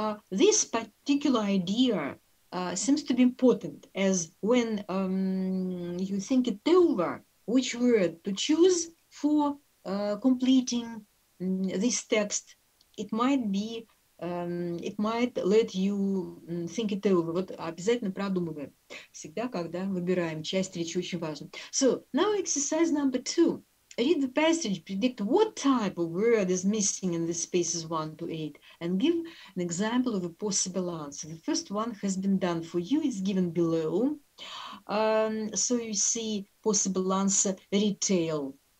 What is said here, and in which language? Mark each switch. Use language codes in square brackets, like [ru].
[en] This particular idea seems to be important, as when you think it over, which word to choose for completing this text, it might be it might let you think it over. [ru] Вот обязательно продумываем. Всегда, когда выбираем часть речи, очень важно. [en] So, now exercise number two. Read the passage, predict what type of word is missing in the spaces 1 to 8 and give an example of a possible answer. The first one has been done for you. It's given below. So, you see possible answer retail.